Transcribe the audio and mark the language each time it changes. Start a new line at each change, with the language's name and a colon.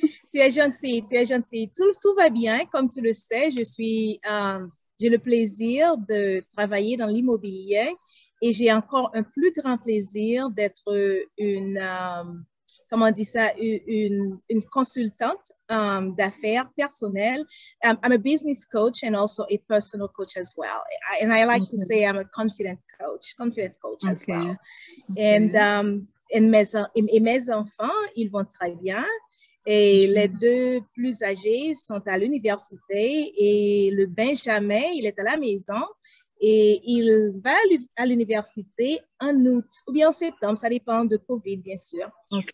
French: Tu es gentille. Tout va bien, comme tu le sais. J'ai le plaisir de travailler dans l'immobilier et j'ai encore un plus grand plaisir d'être une consultante d'affaires personnelles.
English: I'm a business coach and also a personal coach as well. And I like to say I'm a confidence coach as well.
French: Et mes enfants, ils vont très bien. Et les deux plus âgés sont à l'université et le Benjamin, il est à la maison et il va à l'université en août ou bien en septembre, ça dépend de COVID, bien sûr. Okay.